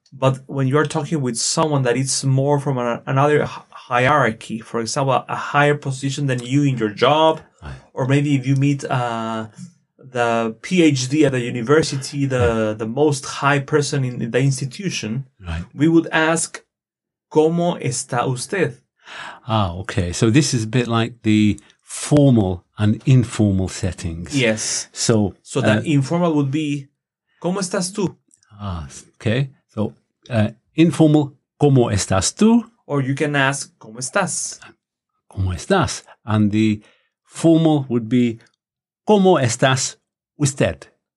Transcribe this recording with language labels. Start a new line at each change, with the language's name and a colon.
English: but when you are talking with someone that it's more from another hierarchy, for example, a higher position than you in your job, or maybe if you meet the PhD at the university, the most high person in the institution, right. we would ask,
Spanish: ¿Cómo está usted?
English: Ah, okay. So this is a bit like the formal and informal settings. Yes. So the informal would be,
Spanish: ¿Cómo estás tú?
English: Ah, okay. So informal,
Spanish: ¿Cómo estás tú?
English: Or you can ask,
Spanish: ¿Cómo estás? ¿Cómo estás?
English: And the formal would be,
Spanish: ¿Cómo estás usted?